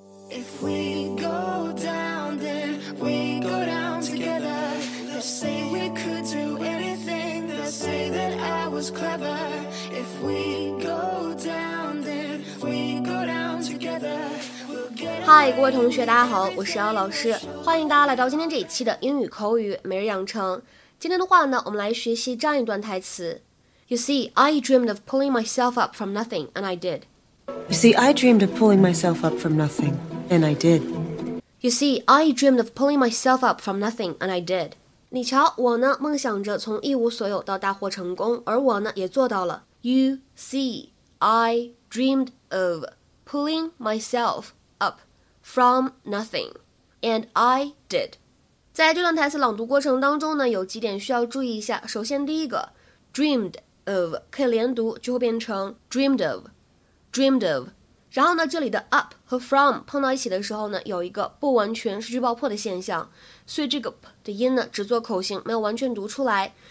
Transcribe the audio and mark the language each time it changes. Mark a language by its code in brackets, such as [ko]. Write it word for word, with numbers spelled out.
[en] If we go down, then we go down together. They'll say we could do anything. They'll say that I was clever. If we go down, then we go down together. We'll get [zh] 嗨，各位同学，大家好，我是姚老师，欢迎大家来到今天这一期的英语口语每日养成。今天的话呢，我们来学习这样一段台词。 [en] You see, I dreamed of pulling myself up from nothing, and I did. You see, I dreamed of pulling myself up from nothing. And I did. You see, I dreamed of pulling myself up from nothing, and I did. [zh] 你瞧，我呢梦想着从一无所有到大获成功，而我呢也做到了。 [en] You see, I dreamed of pulling myself up from nothing, and I did. [zh] 在这段台词朗读过程当中呢，有几点需要注意一下。首先，第一个 ，dreamed of 可以连读，就会变成 dreamed of, dreamed of. 然后呢，这里的 up 和 from 碰到一起的时候呢，有一个不完全失去爆破的现象，所以这个 p 的音呢，只做口型，没有完全读出来。